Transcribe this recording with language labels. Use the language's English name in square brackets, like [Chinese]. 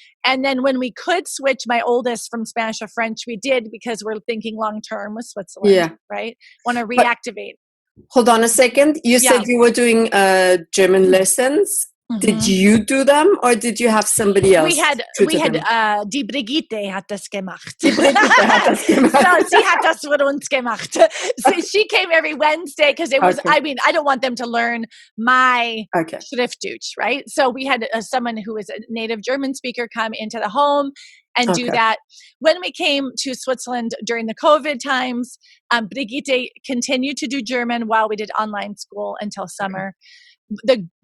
[English] And then when we could switch my oldest from Spanish to French, we did because we're thinking long-term with Switzerland, right? Want to reactivate. Hold on a second. You said you were doing German lessons. Mm-hmm. Did you do them or did you have somebody else? We had [German] Die Brigitte hat das gemacht. Sie hat das für uns gemacht. [English] She came every Wednesday because it was, I don't want them to learn my Schriftdeutsch, right? So we had someone who was a native German speaker come into the home and do that. When we came to Switzerland during the COVID times, Brigitte continued to do German while we did online school until summer. Okay.